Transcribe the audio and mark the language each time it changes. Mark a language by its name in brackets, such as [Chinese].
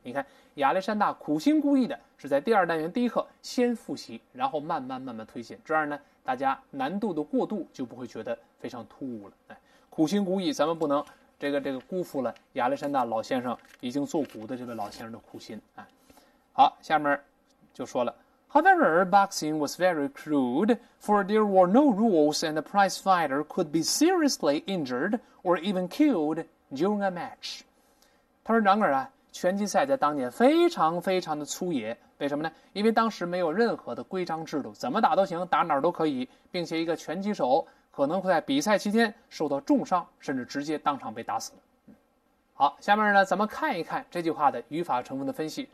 [Chinese] 你看亚历山大苦心故意的是在第二单元第一课先复习，然后慢慢推进，这样呢大家难度的过渡就不会觉得非常突兀了。哎，苦心孤诣，咱们不能这个辜负了亚历山大老先生已经作古的这位老先生的苦心。哎，好，下面就说了 [English] However, boxing was very crude, for there were no rules and the prize fighter could be seriously injured or even killed during a match. [Chinese] 他说然而啊，拳击赛在当年非常非常的粗野，为什么呢？因为当时没有任何的规章制度，怎么打都行，打哪儿都可以，并且一个拳击手可能会在比赛期间受到重伤，甚至直接当场被打死了。好，下面呢咱们看一看这句话的语法成分的分析。